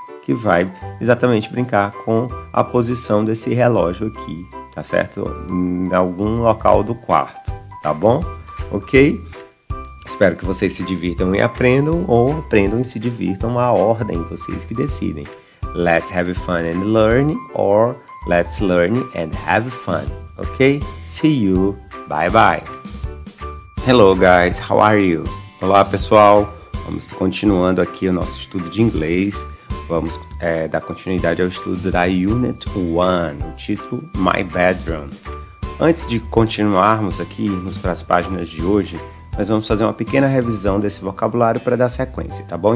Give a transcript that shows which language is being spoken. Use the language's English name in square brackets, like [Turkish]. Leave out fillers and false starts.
[Portuguese] Que vai exatamente brincar com a posição desse relógio aqui, tá certo? Em algum local do quarto, tá bom? Ok? Espero que vocês se divirtam e aprendam, ou aprendam e se divirtam, a ordem, vocês que decidem. [English] Let's have fun and learn, or let's learn and have fun, okay? See you, bye-bye. Hello guys, how are you? [Portuguese] Olá pessoal, vamos continuando aqui o nosso estudo de inglês. Vamos dar continuidade ao estudo da Unit 1, o título My Bedroom. Antes de continuarmos aqui, irmos para as páginas de hoje, nós vamos fazer uma pequena revisão desse vocabulário para dar sequência, tá bom?